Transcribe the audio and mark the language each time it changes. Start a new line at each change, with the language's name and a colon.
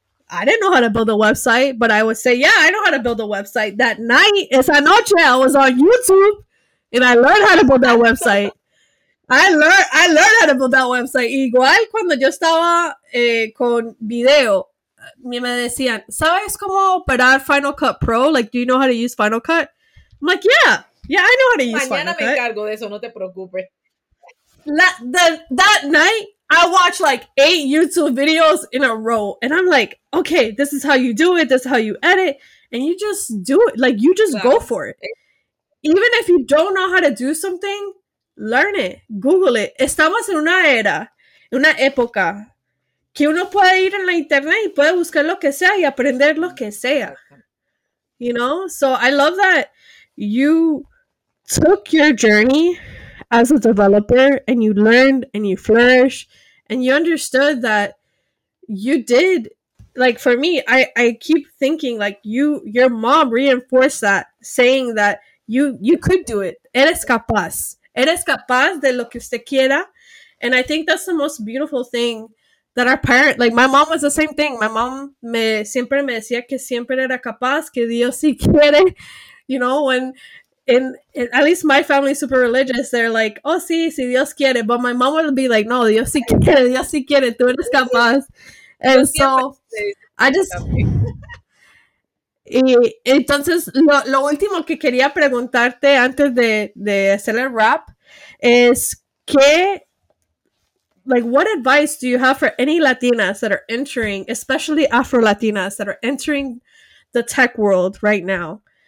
English: I didn't know how to build a website, but I would say, yeah, I know how to build a website. That night,
Spanish: esa noche,
English: I was on YouTube, and I learned how to build that website. I learned how to build that website.
Spanish: Igual cuando yo estaba con video, me decían, ¿sabes cómo operar Final Cut Pro?
English: Like, do you know how to use Final Cut? I'm like, yeah, I know how to use Final Cut.
Spanish: Mañana me encargo de eso, no te preocupes.
English: That night, I watched like 8 YouTube videos in a row. And I'm like, okay, this is how you do it. This is how you edit. And you just do it. Like, you just go for it. Even if you don't know how to do something, learn it. Google it.
Spanish: Estamos en una era, en una época, que uno puede ir en la internet y puede buscar lo que sea y aprender lo que sea.
English: You know? So I love that you took your journey as a developer and you learned and you flourished and you understood that you did. Like, for me, I keep thinking, like, your mom reinforced that, saying that you could do it.
Spanish: Eres capaz. Eres capaz de lo que usted quiera.
English: And I think that's the most beautiful thing that our parents, like, my mom was the same thing. My mom
Spanish: siempre me decía que siempre era capaz, que Dios sí quiere.
English: You know, when, and at least my family is super religious, they're like,
Spanish: oh, sí, si Dios quiere.
English: But my mom would be like,
Spanish: no, Dios sí quiere, tú eres capaz.
English: And so, I just,
Spanish: y entonces, lo último que quería preguntarte antes de hacer el rap es que,
English: like, what advice do you have for any Latinas that are entering, especially Afro-Latinas that are entering the tech world right now?